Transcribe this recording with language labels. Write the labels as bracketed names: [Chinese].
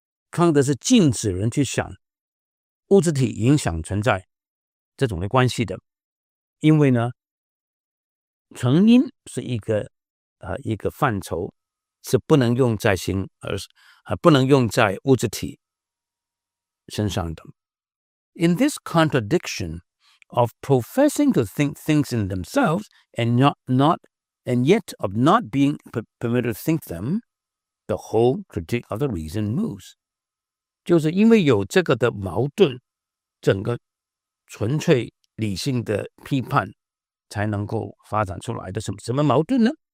[Chinese] 康德是禁止人去想物质体影响存在这种的关系的, 因为呢, 成因是一个范畴, 是不能用在心, 而不能用在物质体身上的。 [English] In this contradiction of professing to think things in themselves and yet of not being permitted to think them, the whole critique of the reason moves. [Chinese] 就是因为有这个的矛盾, 整个纯粹理性的批判, 才能够发展出来的什么矛盾呢?